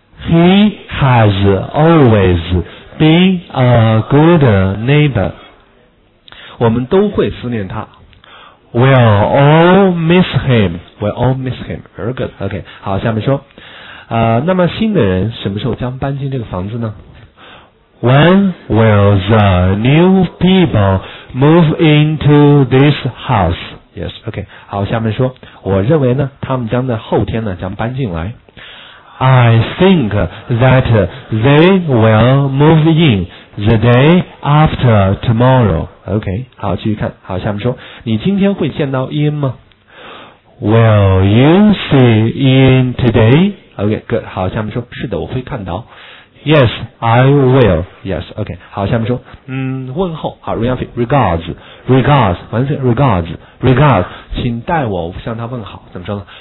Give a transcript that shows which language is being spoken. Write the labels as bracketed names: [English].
[English] He has always been a good neighbor. [Chinese] 我们都会思念他。 [English] We'll all miss him. We'll all miss him. Very good. OK. [Chinese] 好，下面说。那么新的人什么时候将搬进这个房子呢？ [English] When will the new people move into this house? Yes, OK. [Chinese] 好，下面说，我认为呢，他们将在后天呢将搬进来。 [English] I think that they will move in the day after tomorrow. [Chinese] OK. 好，继续看。好，下面说，你今天会见到伊恩吗 [English] ？Will you see Ian today? OK, good. [Chinese] 好，下面说，是的，我会看到。 [English] Yes, I will. [Chinese] Yes, OK. 好，下面说，问候，好 ，regards, 请代我向他问好，怎么说呢